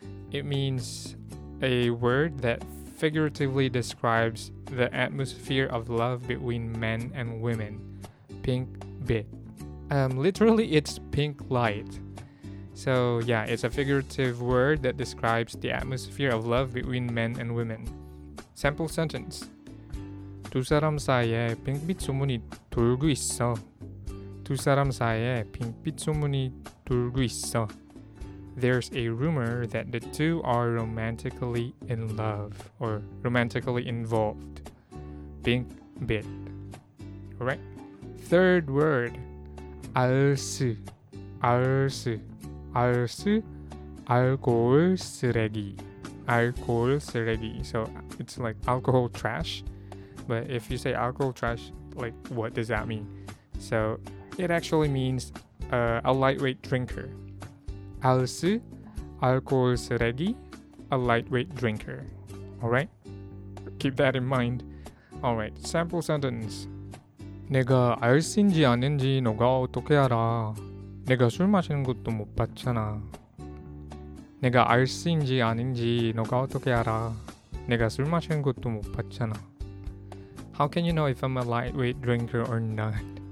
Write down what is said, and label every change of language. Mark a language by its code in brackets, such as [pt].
[en] It means a word that figuratively describes the atmosphere of love between men and women. Pink bit. Literally, it's pink light. So yeah, it's a figurative word that describes the atmosphere of love between men and women. Sample sentence. [ko] 두 사람 사이에 핑크빛 소문이 돌고 있어. 두 사람 사이에 핑크빛 소문이 돌고 있어. [en] There's a rumor that the two are romantically in love or romantically involved. [ko] 핑크빛. [en] Alright. Third word. [ko] 알 수. 알 수. 알 수. 알코올 쓰레기. Alcohol 쓰레기. [en] So it's like alcohol trash, but if you say alcohol trash, like what does that mean? So it actually means a lightweight drinker. [ko] 알 수 알코올 쓰레기, [en] a lightweight drinker. All right, keep that in mind. All right, sample sentence. [ko] 내가 알 수인지 아닌지 너가 어떻게 알아? 내가 술 마시는 것도 못 봤잖아. 내가 알 수인지 아닌지 너가 어떻게 알아? 내가 술 마시는 것도 못 봤잖아. [en] How can you know if I'm a lightweight drinker or not?